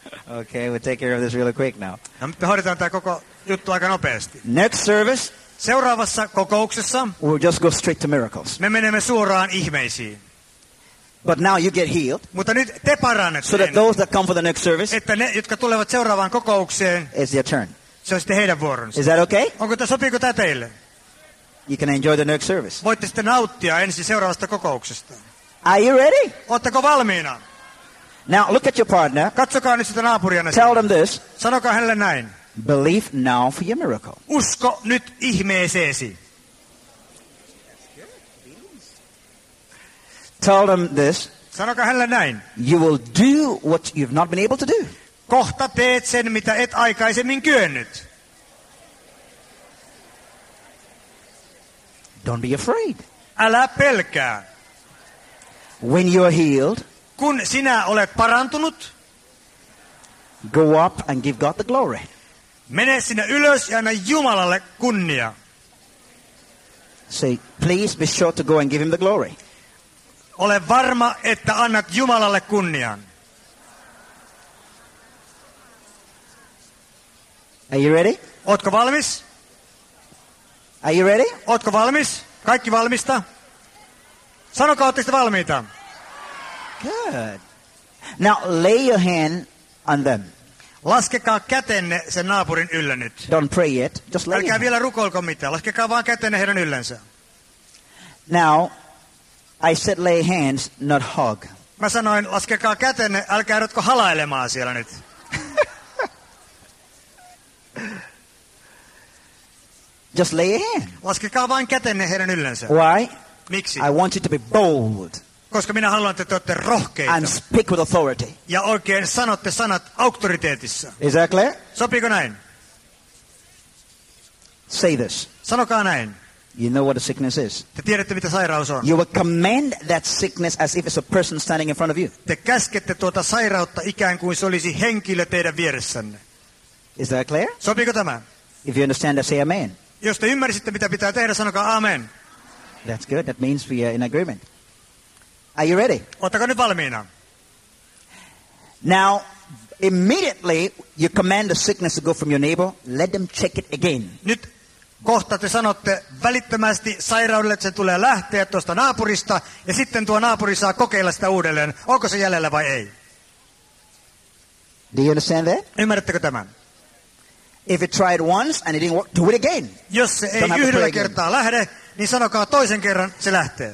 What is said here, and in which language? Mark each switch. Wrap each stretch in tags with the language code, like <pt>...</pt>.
<en>Okay, we'll take care of this really quick now.</en> <fi>No, me hoidetaan tämä koko juttu aika nopeasti.</fi> <en>Next service.</en> <fi>Seuraavassa kokouksessa.</fi> <en>We'll just go straight to miracles.</en> <fi>Me menemme suoraan ihmeisiin.</fi> <en>But now you get healed.</en> <fi>Mutta nyt te parannet.</fi> <en>So that those that come for the next service.</en> <fi>Että ne, jotka tulevat seuraavaan kokoukseen.</fi> <en>It's their turn.</en> <fi>Se on sitten heidän vuoronsa.</fi> <en>Is that okay?</en> <fi>Onko tämä, sopiiko tämä teille?</fi> <en>You can enjoy the next service.</en> <fi>Voitte sitten nauttia ensi seuraavasta kokouksesta.</fi> <en>Are you ready?</en> <fi>Ootteko valmiina?</fi> <en>Now look at your partner.</en> <fi>Katsokaa nyt sitä naapuriana.</fi> <en>Tell them this.</en> <fi>Sanokaa hänelle näin.</fi> <en>Believe now for your miracle.</en> <fi>Usko nyt ihmeeseesi.</fi> <en>Tell them this.</en> <fi>Sanokaa hänelle näin.</fi> <en>You will do what you've not been able to do.</en> <fi>Kohta teet sen, mitä et aikaisemmin kyennyt.</fi> <en>Don't be afraid.</en> <fi>Älä pelkää.</fi> <en>When you are healed.</en> <fi>Kun sinä olet parantunut.</fi> <en>Go up and give God the glory.</en> <fi>Mene sinä ylös ja anna Jumalalle kunnia.</fi> <en>Say, please be sure to go and give him the glory.</en> <fi>Ole varma, että annat Jumalalle kunnian.</fi> <en>Are you ready?</en> <fi>Ootko valmis?</fi> <en>Are you ready?</en> <fi>Ootko valmis? Kaikki valmista? Sanokaa, ootteko valmiita?</fi> <en>Good. Now lay your hand on them.</en> <fi>Laskekaa kätenne sen naapurin yllä nyt.</fi> <en>Don't pray yet. Just lay.</en> <fi>Älkää vielä rukoilko mitään. Laskekaa vaan kätenne heidän yllänsä.</fi> <en>Now I said lay hands, not hug.</en> <fi>Mä sanoin, laskekaa kätenne, älkää ruvetko halailemaan siellä nyt.</fi> <en>Just lay your hand.</en> <fi>Laskekaa vain kätenne heidän yllänsä.</fi> <en>Why?</en> <fi>Miksi?</fi> <en>I want you to be bold.</en> <fi>Koska minä haluan, että te olette rohkeita.</fi> <en>And speak with authority.</en> <fi>Ja oikein sanotte sanat auktoriteetissa.</fi> <en>Is that clear?</en> <fi>Sopiiko näin?</fi> <en>Say this.</en> <fi>Sanokaa näin.</fi> <en>You know what a sickness is.</en> <fi>Te tiedätte, mitä sairaus on.</fi> <en>You will command that sickness as if it's a person standing in front of you.</en> <fi>Te käskette tuota sairautta ikään kuin se olisi henkilö teidän vieressänne.</fi> <en>Is that clear?</en> <fi>Sopiiko tämä?</fi> <en>If you understand that, say amen.</en> <fi>Jos te ymmärsitte, mitä pitää tehdä, sanokaa amen.</fi> <en>That's good. That means we are in agreement. Are you ready?</en> <fi>Ootteko nyt valmiina?</fi> <en>Now, immediately, you command the sickness to go from your neighbor. Let them check it again.</en> <fi>Nyt kohta te sanotte välittömästi sairaudelle, että se tulee lähteä tuosta naapurista, ja sitten tuo naapuri saa kokeilla sitä uudelleen. Onko se jäljellä vai ei?</fi> <en>Do you understand that?</en> <fi>Ymmärrättekö tämän?</fi> <en>If it tried once and it didn't work, do it again.</en> <fi>Jos se ei yhdellä kertaa lähde, niin sanokaa toisen kerran, se lähtee.</fi>